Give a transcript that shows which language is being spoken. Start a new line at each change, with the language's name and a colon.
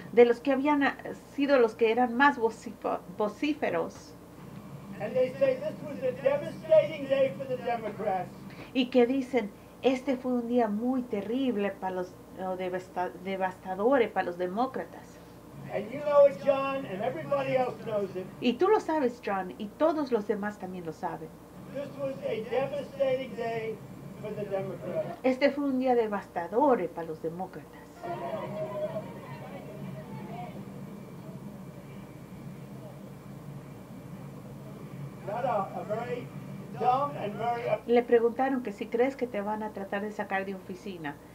Spanish: de los que habían sido los que eran más vocíferos,
English: and they say this was a devastating day for the Democrats,
Spanish: y que dicen este fue un día muy terrible para los devastadores para los demócratas.
English: And you know it, John, and everybody else knows it.
Spanish: Y tú lo sabes, John, y todos los demás también lo saben.
English: This was a devastating day for the Democrats.
Spanish: Este fue un día devastador para los demócratas.
English: Very dumb and very...
Spanish: Le preguntaron que si crees que te van a tratar de sacar de oficina.